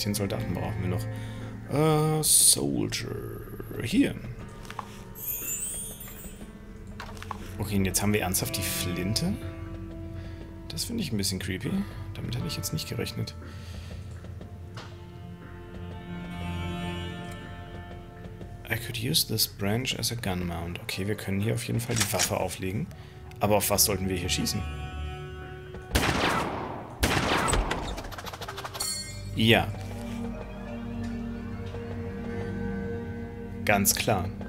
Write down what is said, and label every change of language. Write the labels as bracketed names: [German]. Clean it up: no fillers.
[German] Den Soldaten brauchen wir noch. Soldier. Hier. Okay, und jetzt haben wir ernsthaft die Flinte? Das finde ich ein bisschen creepy. Damit hätte ich jetzt nicht gerechnet. [English] I could use this branch as a gun mount. [German] Okay, wir können hier auf jeden Fall die Waffe auflegen. Aber auf was sollten wir hier schießen? Ja. Ganz klar.